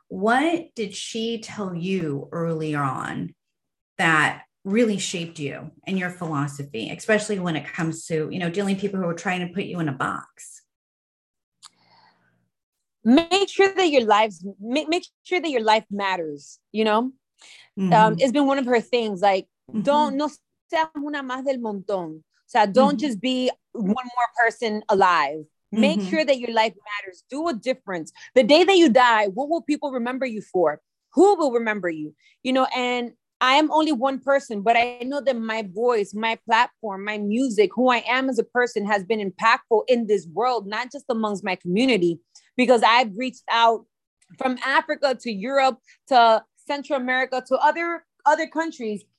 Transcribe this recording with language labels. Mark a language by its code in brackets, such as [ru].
[en] What did she tell you early on that really shaped you and your philosophy, especially when it comes to, you know, dealing with people who are trying to put you in a box? Make sure that your lives, make sure that your life matters, you know? Mm-hmm. It's been one of her things, like, mm-hmm. don't, [es] no seas una más del montón. [en] So don't mm-hmm. just be one more person alive. Make mm-hmm. sure that your life matters. Do a difference. The day that you die, what will people remember you for? Who will remember you? You know, and I am only one person, but I know that my voice, my platform, my music, who I am as a person has been impactful in this world, not just amongst my community, because I've reached out from Africa to Europe to Central America to other countries.